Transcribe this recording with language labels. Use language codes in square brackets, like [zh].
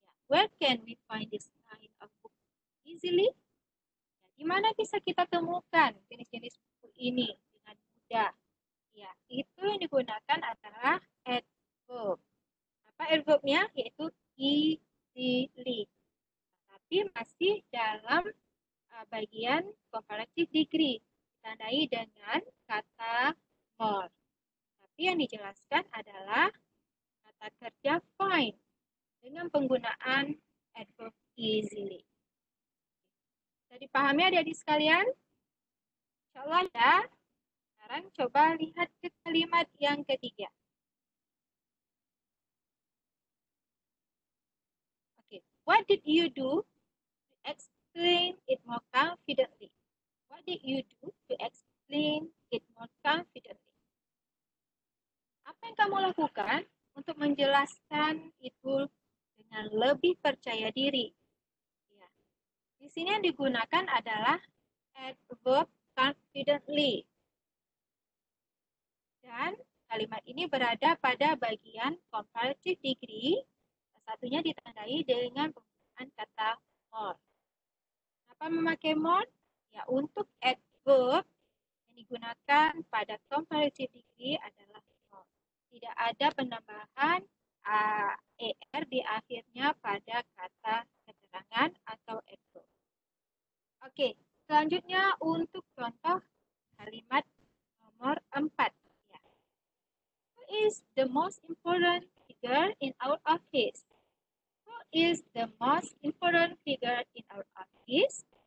[en] Where can we find this kind of book easily? [id] Ya, di mana bisa kita temukan jenis-jenis buku ini dengan mudah? Ya, itu yang digunakan adalah adverb. Apa adverbnya? Yaitu easily. Tapi masih dalam bagian comparative degree. Ditandai dengan kata more. Tapi yang dijelaskan adalah kata kerja find. Dengan penggunaan adverb easily. Jadi pahamnya adik-adik sekalian? Insya Allah ya. Sekarang coba lihat ke kalimat yang ketiga. [en] Okay. What did you do to explain it more confidently? What did you do to explain it more confidently? [id] Apa yang kamu lakukan untuk menjelaskan itu dengan lebih percaya diri. Ya. Di sini yang digunakan adalah adverb confidently. Dan kalimat ini berada pada bagian comparative degree. Satunya ditandai dengan penggunaan kata more. Kenapa memakai more? Ya, untuk adverb yang digunakan pada comparative degree adalah more. Tidak ada penambahan er di akhirnya pada kata keterangan atau adverb. Oke, selanjutnya untuk contoh kalimat nomor 4. Ya. [en] Who is the most important figure in our office? Who is the most important figure in our office?